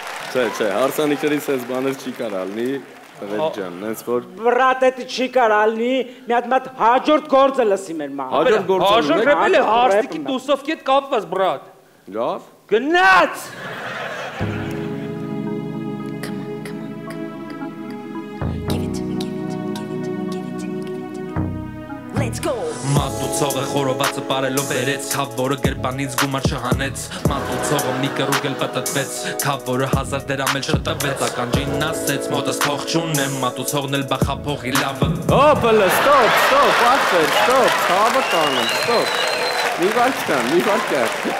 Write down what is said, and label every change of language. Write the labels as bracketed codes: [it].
[hy] Չէ, չէ, հարսանիքներին սենց բաներ չի կարալնի։ Հերջան, նենց որ բրատ էտի չի կարալնի, մի հատ հաջորդ գործը լսի մեր մամ։ Հաջորդ գործը։ Հաջորդ ռեպել է հարսիկի դուսովքի հետ կապված, բրատ։ Լավ։ Գնաց։ [en] Come on, come on, come on, come on, give it [hy] Մատուցողը խորովածը պարելով վերեց, Քավորը գրպանից գումար չհանեց, Մատուցողը մի կրուկ էլ պտտվեց, Քավորը հազար դրամ էլ չտվեց, Ականջին ասեց, մոտս փող չունեմ, Մատուցողն էլ բախափողի լավը. Օփլը, ստոպ, ստոպ, ասեց, ստոպ, Քավը տանեմ, ստոպ. Մի վարկան, մի վարկան.